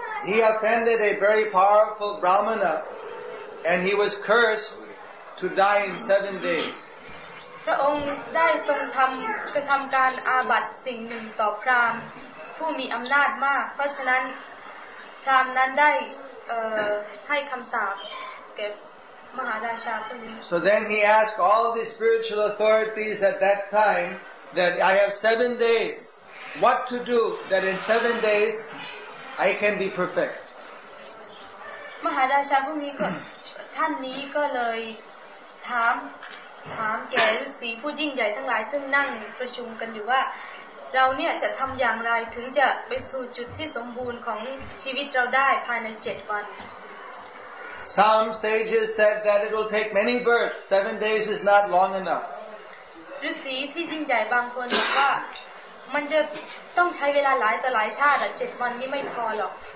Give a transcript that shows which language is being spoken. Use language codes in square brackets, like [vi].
[en] He offended a very powerful Brahmana and he was cursed to die in 7 days [th] พระองค์ได้ทรงทำการอาบัติสิ่งหนึ่งต่อพราหมณ์ผู้มีอำนาจมากเพราะฉะนั้นพราหมณ์นั้นได้ให้คำสาปแก่มหาราชาผู้นี้ [en] So then he asked all the spiritual authorities at that time that I have 7 days what to do that in 7 days I can be perfect [th] มหาราชาผู้นี้ก็ท่านนี้ก็เลยถามแก่ฤาษีผู้ยิ่งใหญ่ทั้งหลายซึ่งนั่งประชุมกันอยู่ว่าเราเนี่ยจะทำอย่างไรถึงจะไปสู่จุดที่สมบูรณ์ของชีวิตเราได้ภายใน7วัน [en] Some sages said that it will take many births 7 days is not long enough [th] ฤาษีที่ยิ่งใหญ่บางคนบอกว่ามันจะต้องใช้เวลาหลายต่อหลายชาติ7วันนี้ไม่พอหรอก